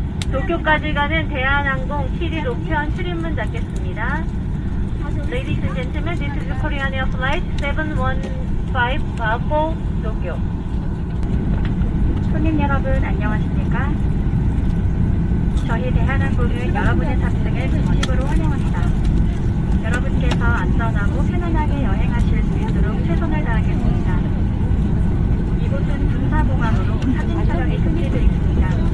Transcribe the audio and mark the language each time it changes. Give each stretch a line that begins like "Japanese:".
Korean: 도쿄까지가는 대한항공 7265편 출입문 닫겠습니다.
English: Ladies and gentlemen, this is Korean Air Flight 715 도쿄.
Korean: 손님 여러분 안녕하십니까? 저희 대한항공은 여러분의 탑승을 진심으로 환영합니다. 여러분께서 안전하고 편안하게 여행하실 수 있도록 최선을 다하겠습니다. 이곳은 군사공항으로 사진 촬영이 금지되어 있습니다.